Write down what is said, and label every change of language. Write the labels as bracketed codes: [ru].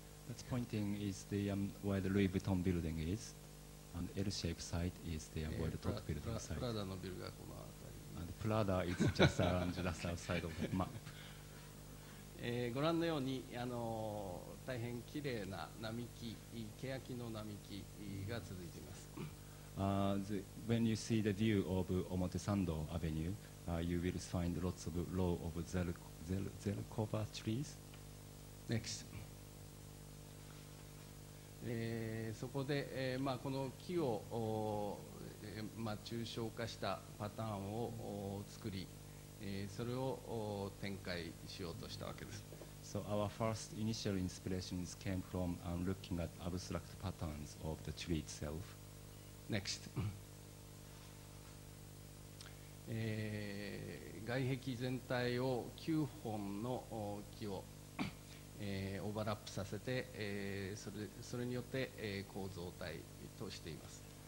[en] That's pointing is the, where the Louis Vuitton building is, and L-shaped site is the, where the Tod building site. [ja] プラダのビルがこの辺り。 [en] And Prada is just around just outside of the map. [ja] ご覧のように、大変きれいな並木、ケヤキの並木が続いています。 [en] When you see the view of Omotesando Avenue, you will find lots of row of zelkova trees. Next. [ja] そこで、まあ、この木を、まあ、抽象化したパターンを作り、それを展開しようとしたわけです。 [en] So our first initial inspirations came from looking at abstract patterns of the tree itself. Next. [ja] 外壁全体を9本の木をオーバーラップさせて、それによって、構造体としています。